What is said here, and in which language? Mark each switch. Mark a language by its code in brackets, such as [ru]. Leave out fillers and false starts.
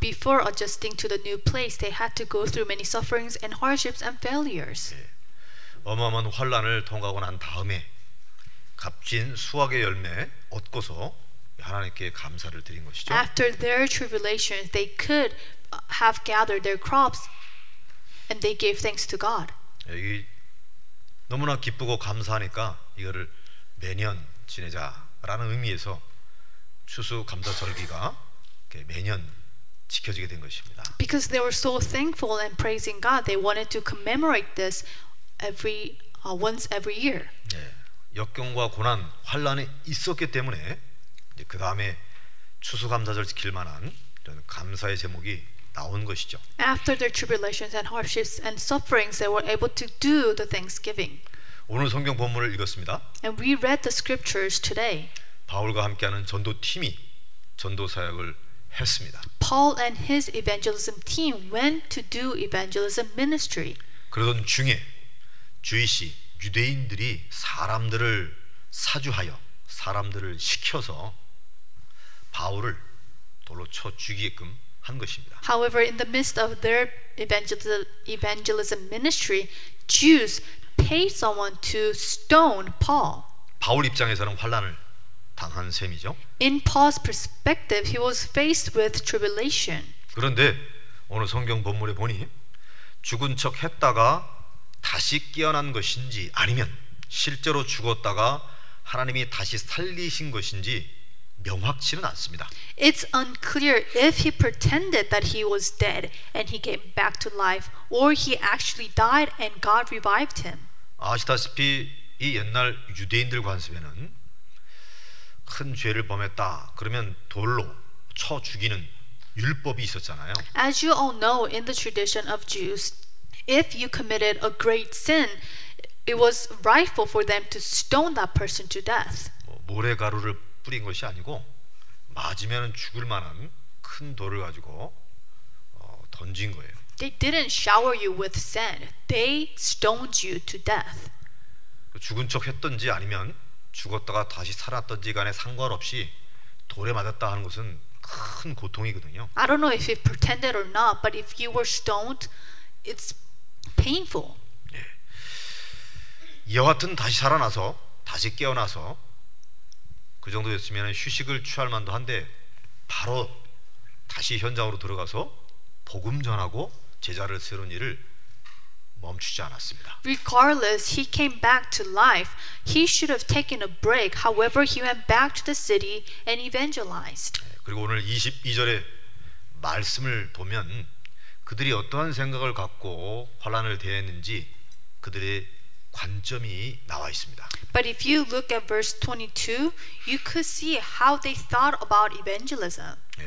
[en] Before adjusting to the new place, they had to go through many sufferings and hardships and failures. [ko] 예, 어마어마한 환난을 통과하고 난 다음에 값진 수확의 열매 얻고서 하나님께 감사를 드린 것이죠. [en] After their tribulations, they could have gathered their crops and they gave thanks to God. [ko] 예, 이, 너무나 기쁘고 감사하니까 이거를 매년 지내자라는 의미에서 추수감사절기가 매년 지켜지게 된 것입니다. [en] Because they were so thankful and praising God, they wanted to commemorate this every once every year. [ko] 예, 역경과 고난, 환난이 있었기 때문에 이제 그 다음에 추수감사절 지킬 만한 이런 감사의 제목이 나온 것이죠. [en] After their tribulations and hardships and sufferings, they were able to do the Thanksgiving. [ko] 오늘 성경 본문을 읽었습니다. [en] And we read the scriptures today. [ko] 바울과 함께하는 전도팀이 전도 사역을 했습니다. [en] Paul and his evangelism team went to do evangelism ministry. [ko] 그러던 중에 주이시 유대인들이 사람들을 사주하여 사람들을 시켜서 바울을 돌로 쳐 죽이게끔 한 것입니다. [en] However, in the midst of their evangelism ministry, Jews pay someone to stone Paul. [ko] 바울 입장에서는 환난을 당한 셈이죠. [en] In Paul's perspective, he was faced with tribulation. [ko] 그런데 오늘 성경 본문에 보니 죽은 척 했다가 다시 깨어난 것인지 아니면 실제로 죽었다가 하나님이 다시 살리신 것인지 명확치는 않습니다. [en] It's unclear if he pretended that he was dead and he came back to life, or he actually died and God revived him. [ko] 아시다시피 이 옛날 유대인들 관습에는 큰 죄를 범했다 그러면 돌로 쳐 죽이는 율법이 있었잖아요. [en] As you all know, in the tradition of Jews, if you committed a great sin, it was rightful for them to stone that person to death. [ko] 모래가루를 뿌린 것이 아니고 맞으면 죽을 만한 큰 돌을 가지고 던진 거예요. [en] They didn't shower you with sand. They stoned you to death. [ko] 죽은 척 했던지 아니면 죽었다가 다시 살았던지 간에 상관없이 돌에 맞았다 하는 것은 큰 고통이거든요. [en] I don't know if he pretended or not, but if you were stoned, it's painful. [ko] 예. 여하튼 다시 살아나서 다시 깨어나서 그 정도였으면 휴식을 취할 만도 한데 바로 다시 현장으로 들어가서 복음 전하고 제자를 세우는 일을 멈추지 않았습니다. [en] Regardless, he came back to life. He should have taken a break. However, he went back to the city and evangelized. [ko] 그리고 오늘 22절의 말씀을 보면 그들이 어떠한 생각을 갖고 환난을 대했는지 그들의 관점이 나와 있습니다. [en] But if you look at verse 22, you could see how they thought about evangelism.